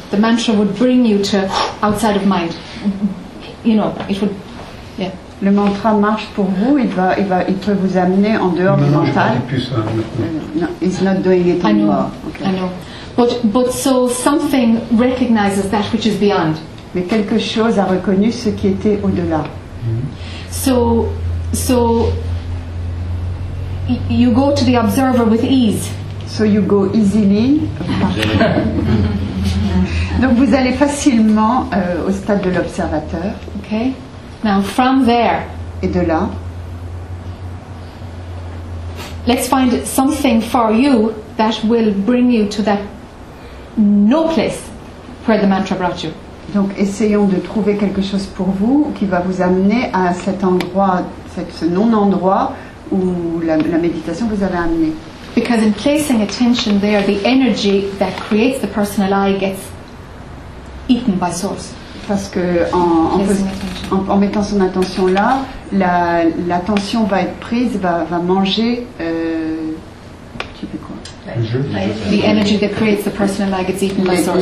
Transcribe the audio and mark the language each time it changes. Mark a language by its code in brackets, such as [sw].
[en] The mantra would bring you to outside of mind. You know, it would, yeah. [fr] Le mantra marche pour vous, il peut vous amener en dehors du mental. Non, je ne fais plus ça. [en] No, it's not doing it anymore. I know, okay. I know. But so something recognizes that which is beyond. [fr] Mais quelque chose a reconnu ce qui était au-delà. Mm-hmm. [en] So you go to the observer with ease. So you go easily. [fr] Donc vous allez facilement au stade de l'observateur. [en] Okay. Now from there. [fr] Et de là. [en] Let's find something for you that will bring you to that no place where the mantra brought you. [fr] Donc essayons de trouver quelque chose pour vous qui va vous amener à cet endroit, ce non-endroit où la méditation vous avait amené. [en] Because in placing attention there, the energy that creates the personal I gets eaten by source. [fr] Parce que en mettant son attention là, l'attention va être prise, va manger. Tu fais quoi? [en] The energy that creates the personal I gets eaten by source.